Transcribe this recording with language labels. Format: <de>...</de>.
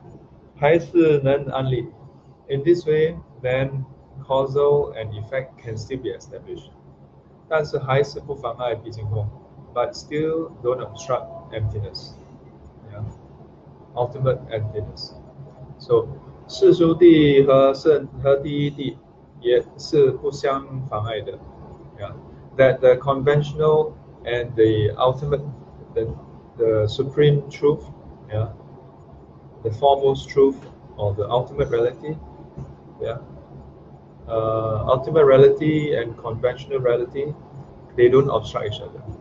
<zh>这样子因果还是能安立.</zh> <en>In this way, then causal and effect can still be established.</en> <zh>但是还是不妨碍毕竟空.</zh> <en>But still don't obstruct emptiness. Yeah. Ultimate emptiness.</en> <zh>So, 四书地和第一地也是不相妨碍的.</zh> <en>Yeah. That the conventional and the ultimate, the supreme truth, yeah, the foremost truth or the ultimate reality, yeah, ultimate reality and conventional reality, they don't obstruct each other.</en>